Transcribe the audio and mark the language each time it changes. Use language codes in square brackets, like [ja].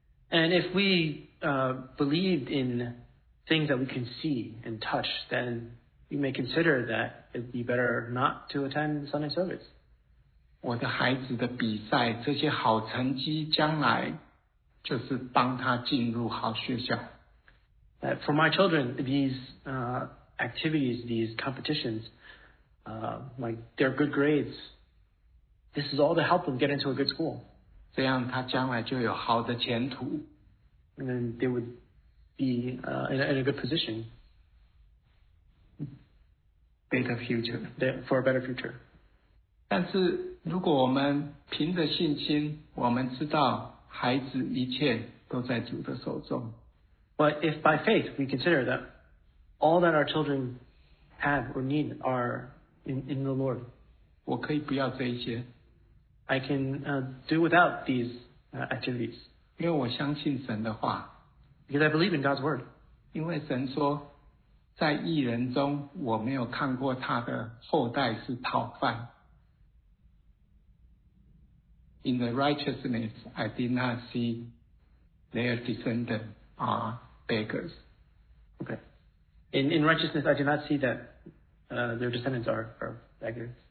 [en] And if we believed in things that we can see and touch, then you may consider that it'd be better not to attend Sunday service. [zh] 我的孩子的比赛，这些好成绩，将来就是帮他进入好学校。 [en] That for my children, these activities, these competitions, like their good grades. This is all to help them get into a good school. [zh] 这样他将来就有好的前途。 [en] And then they would be in a good position. Better future. For a better future. [zh] 但是如果我们凭着信心，我们知道孩子一切都在主的手中。 [en] But if by faith we consider that all that our children have or need are in the Lord. [zh] 我可以不要这一些。 [en] I can do without these activities. [zh] 因为我相信神的话。 [en] Because I believe in God's word. [zh] 因为神说，在义人中，我没有看过他的后代是讨饭。 [en] In the righteousness, I did not see their descendants are beggars. Okay. In righteousness, I did not see that their descendants are beggars.